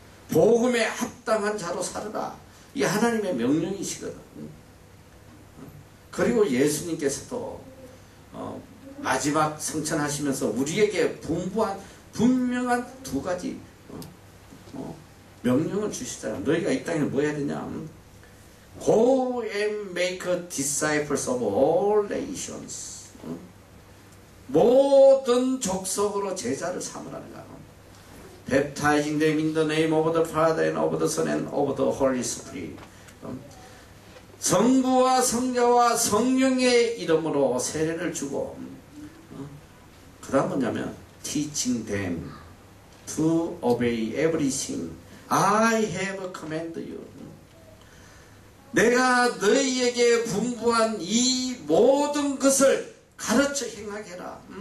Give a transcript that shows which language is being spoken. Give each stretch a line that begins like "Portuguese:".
Korean: 복음에 합당한 자로 살아라. 이게 하나님의 명령이시거든. 그리고 예수님께서도 마지막 승천하시면서 우리에게 분부한 분명한 두 가지 명령을 주시잖아. 너희가 이 땅에 뭐 해야 되냐?
English: Go and make disciples of all nations.
Korean: 모든 족속으로 제자를 삼으라는 거야.
English: Baptizing them in the name of the Father and of the Son and of the Holy Spirit.
Korean: 성부와 성자와 성령의 이름으로 세례를 주고, 그 다음 뭐냐면,
English: teaching them to obey everything I have commanded you.
Korean: 내가 너희에게 분부한 이 모든 것을 가르쳐 행하게 해라.